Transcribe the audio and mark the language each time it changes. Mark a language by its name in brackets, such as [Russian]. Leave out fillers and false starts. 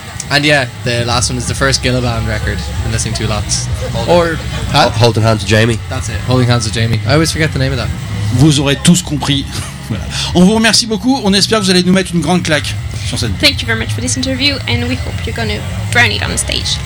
[English] And yeah, the last one is the first Gillaband record. Been listening to lots. Holding Hands with Jamie. That's it, Holding Hands with Jamie. I always forget the name of that. [French] Vous aurez tous compris. On vous remercie beaucoup. On espère que vous allez nous mettre une grande claque sur scène. [English] Thank you very much for this interview, and we hope you're going to burn it on the stage.